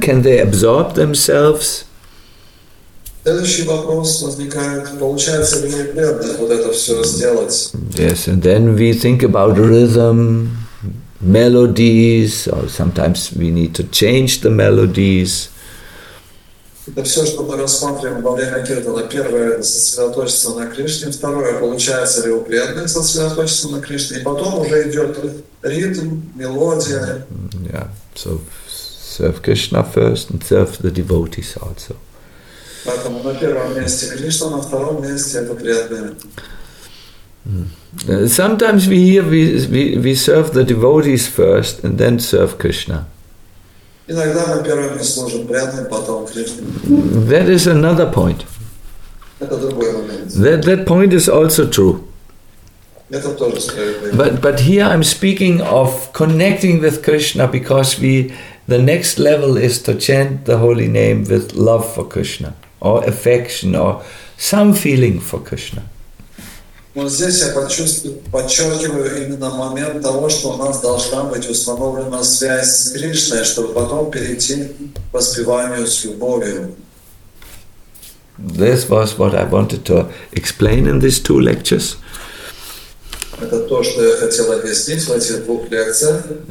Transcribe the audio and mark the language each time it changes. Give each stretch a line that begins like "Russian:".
English: Can they absorb themselves? Yes, and then we think about rhythm, melodies, or sometimes we need to change the melodies.
Russian: Это все, что мы рассматриваем во время киртана. Первое – сосредоточиться на Кришне. Второе – получается ли у преданных сосредоточиться на Кришне. И потом уже идет ритм, мелодия.
English: Yeah. So, serve Krishna first and serve the devotees also.
Russian: Поэтому на первом месте Кришна, на втором месте – это преданные.
English: Sometimes we hear we serve the devotees first and then serve Krishna.
Russian: Иногда мы первыми служим преданным, потом
English: Кришне. That is another point.
Russian: Это другой момент.
English: That point is also true.
Russian: Это тоже справедливо.
English: But here I'm speaking of connecting with Krishna because the next level is to chant the holy name with love for Krishna or affection or some feeling for Krishna.
Russian: Вот здесь я подчеркиваю именно момент того, что у нас должна быть установлена связь с Кришной, чтобы потом перейти к воспеванию с любовью.
English: This was what I wanted to explain in these two lectures.
Russian: Это то, что я хотел объяснить в этих двух лекциях.